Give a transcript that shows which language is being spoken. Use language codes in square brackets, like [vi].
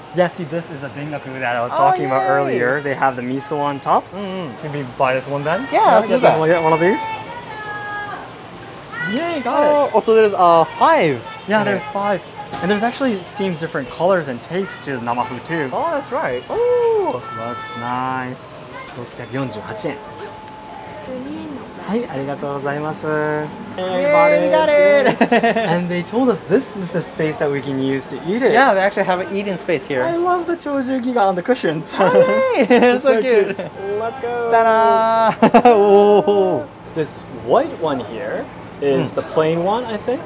[en] Yeah, see, this is the bingaku that I was talking about earlier. They have the miso on top. Mm-hmm. Maybe buy this one then? Yeah, let's do that. We'll get one of these. Yay, got it. Oh, so there's five. Yeah, there's five. And there's actually seems different colors and tastes to the namafu too. Oh, that's right. Ooh. Looks nice. [ja] 648円。はい、ありがとうございます。 [en] We got it! And they told us this is the space that we can use to eat it. Yeah, they actually have an eating space here. I love the chojugiga on the cushions. Oh, yay! So cute. Let's go! Ta-da! This white one here is the plain one, I think.